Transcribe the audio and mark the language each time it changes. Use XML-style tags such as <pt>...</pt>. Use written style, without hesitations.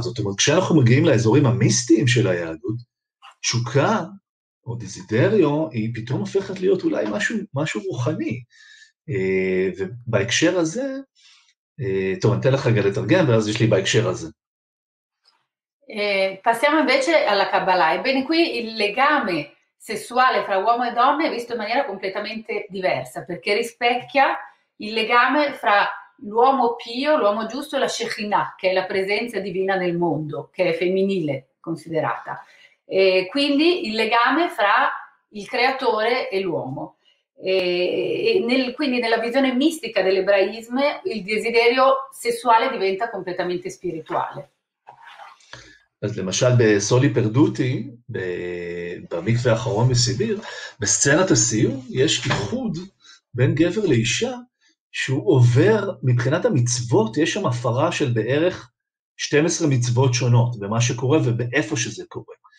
<he>זאת אומרת, כשאנחנו מגיעים לאזורים המיסטיים של היהדות, תשוקה או דזידריו היא פתאום הופכת להיות אולי משהו רוחני, ובהקשר הזה, טוב, אני אתן לך רגע לתרגם, ואז יש לי בהקשר הזה.</he> <it>Passiamo invece alla Kabbalah. Ebbene, qui il legame sessuale fra uomo e donna è visto in maniera completamente diversa, perché rispecchia il legame fra l'uomo pio, l'uomo giusto e la Shekhinah, che è la presenza divina nel mondo, che è femminile considerata. Quindi il legame fra il creatore e l'uomo. Quindi nella visione mistica dell'ebraismo il desiderio sessuale diventa completamente spirituale.</it> <he>אז למשל בסולי פרדוטי, במקווה האחרון בסיביר, בסצנת הסיום יש איחוד בין גבר לאישה שהוא עובר, מבחינת המצוות, יש שם הפרה של בערך 12 מצוות שונות במה שקורה ובאיפה שזה קורה.</he>